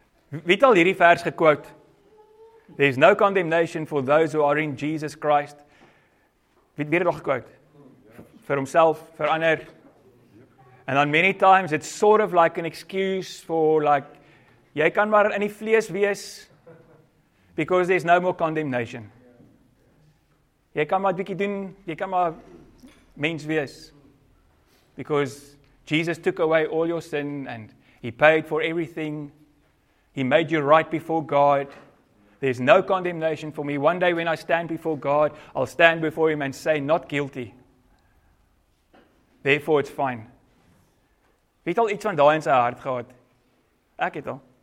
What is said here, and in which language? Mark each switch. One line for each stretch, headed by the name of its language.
Afrikaans: Wie het al hierdie vers gequote?
English: "There is no condemnation for those who are in Jesus Christ."
Afrikaans: Wie het al gequote? Vir homself, vir ander.
English: And on many times it's sort of like an excuse for like,
Afrikaans: jy kan maar in die vlees wees,
English: because there's no more condemnation.
Afrikaans: Jy kan maar 'n bietjie doen, jy kan maar mens wees.
English: Because Jesus took away all your sin and he paid for everything. He made you right before God. There's no condemnation for me. One day when I stand before God, I'll stand before him and say, not guilty. Therefore, it's fine.
Afrikaans: Wie het al iets van daai in sy hart gehad? Ek het al.